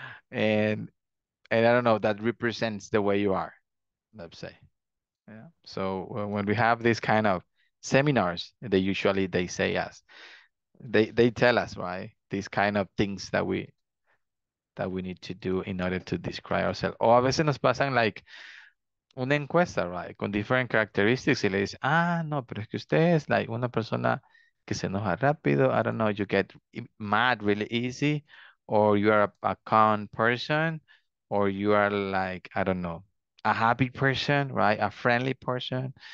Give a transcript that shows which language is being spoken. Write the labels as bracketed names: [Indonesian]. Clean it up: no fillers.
[English] And I don't know, that represents the way you are, let's say. Yeah. So when we have these kind of seminars, they usually say us. They tell us, right? These kind of things that we need to do in order to describe ourselves. [Spanish] O a veces nos pasan like una encuesta, right? Con [English] different characteristics. [Spanish] Y le dice, no, pero es que usted es like una persona que se enoja rápido. [English] I don't know, you get mad really easy. Or you are a calm person. Or you are like, I don't know, a happy person, right? A friendly person.